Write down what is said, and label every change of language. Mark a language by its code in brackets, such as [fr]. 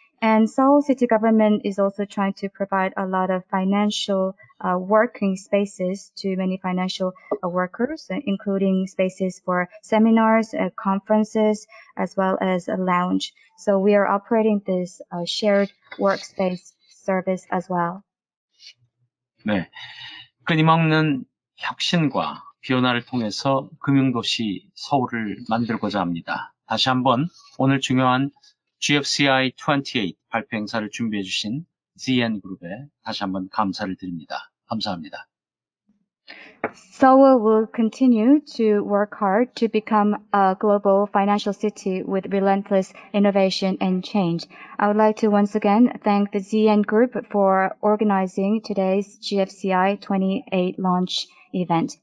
[en] And Seoul City Government is also trying to provide a lot of financial working spaces to many financial workers, including spaces for seminars, conferences, as well as a lounge. So we are operating this shared workspace service as well. [ko] 네, 끊임없는 혁신과 변화를 통해서 금융도시 서울을 만들고자 합니다. 다시 한번 오늘 중요한 GFCI 28 발표 행사를 준비해 주신 ZN그룹에 다시 한번 감사를 드립니다. 감사합니다. [en] Seoul will continue to work hard to become a global financial city with relentless innovation and change. I would like to once again thank the ZN Group for organizing today's GFCI 28 launch event.